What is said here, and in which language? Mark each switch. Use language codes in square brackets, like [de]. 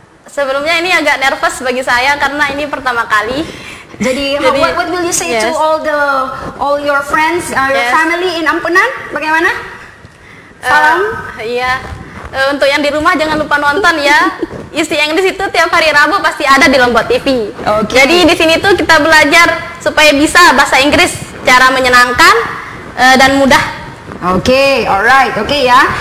[id] Sebelumnya ini agak nervous bagi saya karena ini pertama kali. Jadi, jadi [en] what will you say yes. To all your friends, your family in Ampenan? [id] Bagaimana? Salam. Iya. Untuk yang di rumah jangan lupa nonton ya. Isi English itu tiap hari Rabu pasti ada di Lombok TV. Okay. Jadi di sini tuh kita belajar supaya bisa bahasa Inggris cara menyenangkan dan mudah. Oke, okay, alright, oke okay, ya.